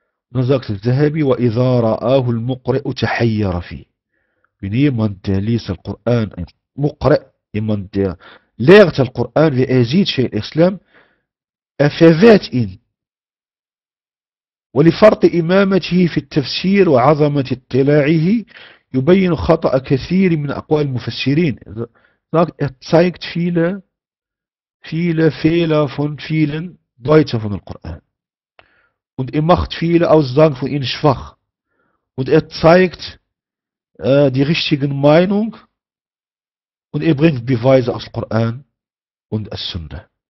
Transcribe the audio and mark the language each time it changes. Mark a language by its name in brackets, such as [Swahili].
[German] Und dann sagt Al-Zahabi, [Arabic] وَإِذَا رَآهُ الْمُقْرِئُ تَحَيَّرَ فِيهِ [German] Wenn jemand, der liest den Koran, ein Muqri', jemand, der lehrt den Koran, wie er sieht, Sheikh Islam, er verwehrt ihn. [Arabic] ولفرط إمامته في التفسير وعظمة اطلاعه يبين خطأ كثير من أقوال المفسرين. [German] Er zeigt viele Fehler von vielen Deutern von dem Koran. Und er macht viele Aussagen von ihnen schwach. Und er zeigt die richtigen Meinung und er bringt Beweise aus dem Koran und der Sunna.